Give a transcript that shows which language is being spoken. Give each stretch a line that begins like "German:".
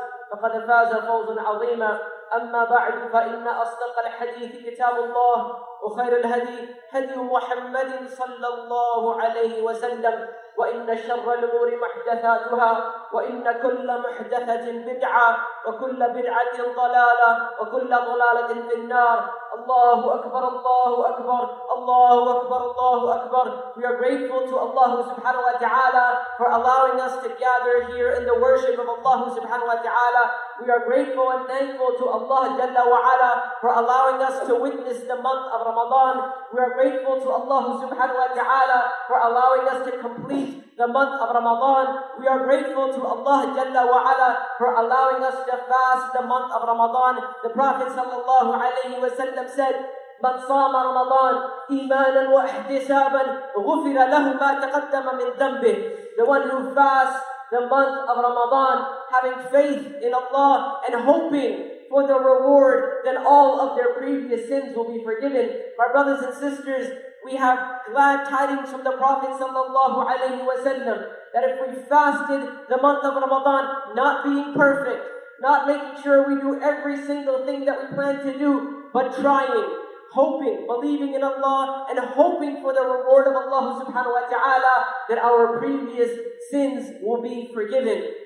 Arabic: فقد فاز فوزا عظيما أما بعد فإن أصدق الحديث كتاب الله وخير الهدي هدي محمد صلى الله عليه وسلم وإن شر الأمور محدثاتها وإن كل محدثة بدعة وكل بدعة ضلالة وكل ضلالة في النار الله أكبر الله أكبر الله أكبر الله أكبر.
English: We are grateful to Allah subhanahu wa ta'ala for allowing us to gather here in the worship of Allah subhanahu wa ta'ala. We are grateful and thankful to Allah jalla wa ala for allowing us to witness the month of Ramadan. We are grateful to Allah subhanahu wa ta'ala for allowing us to complete the month of Ramadan. We are grateful to Allah jalla wa ala for allowing us to fast the month of Ramadan. The Prophet sallallahu alayhi wa sallam said,
Arabic: من صام رمضان إيمانا واحتسابا غفر له ما تقدم من ذنبه.
English: The one who fasts the month of Ramadan, having faith in Allah and hoping for the reward, then all of their previous sins will be forgiven. My brothers and sisters, we have glad tidings from the Prophet sallallahu alayhi wa sallam that if we fasted the month of Ramadan, not being perfect, not making sure we do every single thing that we plan to do, but trying, hoping, believing in Allah, and hoping for the reward of Allah subhanahu wa ta'ala, that our previous sins will be forgiven.